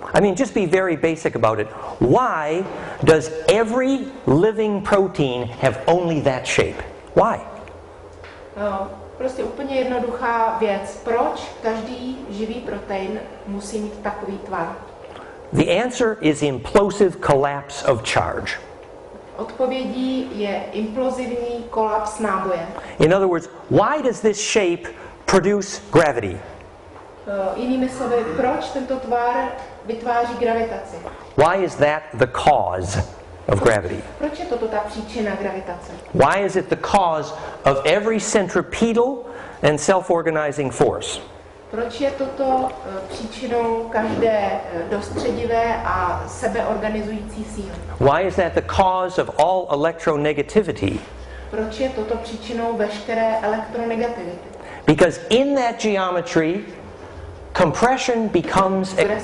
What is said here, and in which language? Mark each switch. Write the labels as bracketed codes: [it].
[en] I mean, just be very basic about it. Why does every living protein have only that shape? Why? [cs] Prostě úplně jednoduchá věc. Proč každý živý protein musí mít takový tvar? [en] The answer is implosive collapse of charge. [cs] Odpovědí je implozivní kolaps náboje. [en] In other words, why does this shape produce gravity? [cs] Jinými slovy, proč tento tvar vytváří gravitaci? [en] Why is that the cause of gravity? [cs] Proč je toto ta příčina gravitace? [en] Why is it the cause of every centripetal and self-organizing force? [cs] Proč je toto příčinou každé dostředivé a sebeorganizující síly? [en] Why is that the cause of all electronegativity? [cs] Proč je toto příčinou veškeré elektronegativity? [en] Because in that geometry, compression becomes